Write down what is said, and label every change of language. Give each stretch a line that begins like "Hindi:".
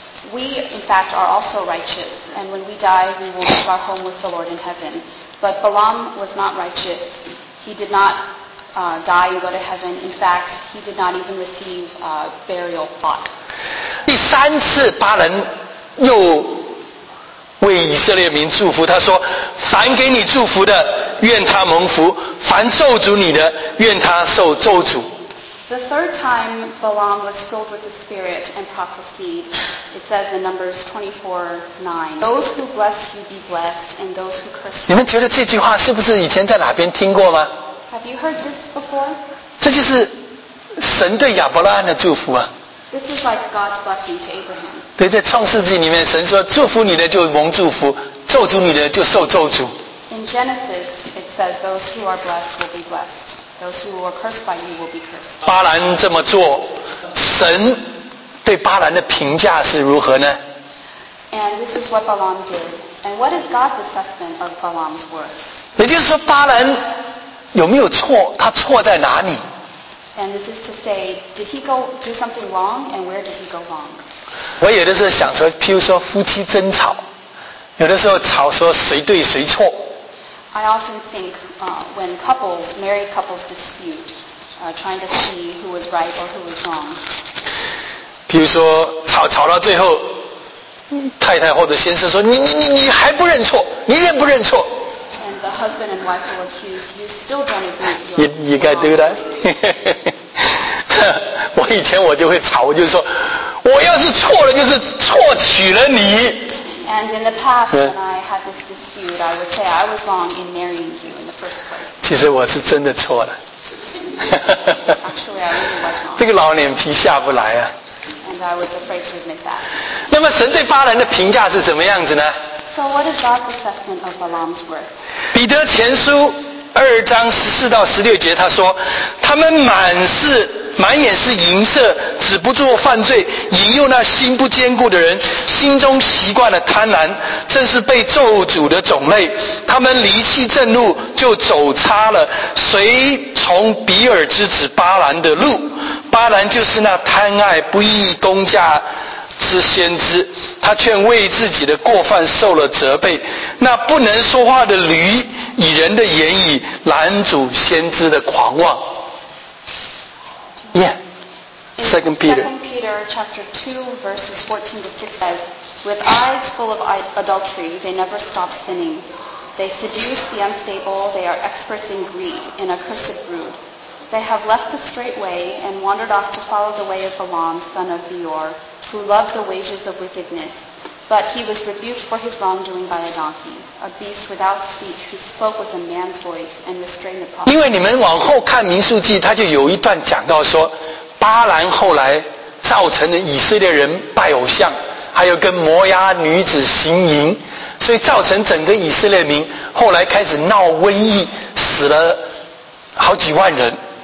English: We in fact are also righteous, and when we die, we will be brought home with the Lord in heaven. But Balaam was not righteous. He did not die and go to heaven. In fact, he did not even receive a burial plot.
Chinese: 第三次，巴兰又为以色列民祝福。他说：“凡给你祝福的，愿他蒙福；凡咒诅你的，愿他受咒诅。”
English: The third time Balaam was filled with the Spirit and prophesied, it says in Numbers 24:9, "Those who bless you be blessed, and those who curse you."
Chinese: 你们觉得这句话是不是以前在哪边听过吗
English: ？Have you heard this before?
Chinese: 这就是神对亚伯拉罕的祝福啊。
English: This is like God's blessing to Abraham.
Chinese: 对，在创世纪里面，神说祝福你的就蒙祝福，咒诅你的就受咒诅。
English: In Genesis, it says, "Those who are blessed will be blessed."
Chinese: 巴兰这么做，神对巴兰的评价是如何呢
English: ？And this is what Balaam did. And what is God's assessment of Balaam's work?
Chinese: 也就是说，巴兰有没有错？他错在哪里
English: ？And this is to say, did he go do something wrong? And where did he go wrong?
Chinese: 我有的时候想说，譬如说夫妻争吵，有的时候吵说谁对谁错。
English: I often think when couples, married couples dispute, trying to see who was right or who was wrong.
Chinese: 比如说吵到最后，太太或者先生说你还不认错，你认不认错
English: ？And the husband and wife will accuse you still don't agree. You got to do that.
Chinese: 我以前我就会吵，我就说我要是错了就是错娶了你。
English: And in the past, when I had this dispute, I would say I was wrong in marrying you in the first place.
Chinese: 其实我是真的错了。
English: Actually, I really was wrong.
Chinese: 这个老脸皮下不来啊。
English: And I was afraid to admit that.
Chinese: 那么神对巴兰的评价是什么样子呢
English: ？So what is God's assessment of Balaam's work?
Chinese: 彼得前书二章十四到十六节，他说：“他们满眼是淫色，止不住犯罪，引诱那心不坚固的人，心中习惯了贪婪，正是被咒诅的种类。他们离弃正路，就走差了，随从比尔之子巴兰的路。巴兰就是那贪爱不义工价之先知，他却为自己的过犯受了责备。那不能说话的驴，以人的言语拦阻先知的狂妄。”
English: Yeah. Second Peter. 2 Peter chapter 2 verses 14 to 16 says, "With eyes full of adultery, they never stop sinning. They seduce the unstable. They are experts in greed, in a cursed brood. They have left the straight way and wandered off to follow the way of Balaam, son of Beor, who loved the wages of wickedness. But he was rebuked for his wrongdoing by a donkey, a beast without speech who spoke with a man's voice and restrained the prophet."
Chinese: 因为你们往后看民数记，他就有一段讲到说，巴兰后来造成了以色列人拜偶像，还有跟摩押女子行淫，所以造成整个以色列民后来开始闹瘟疫，死了好几万人。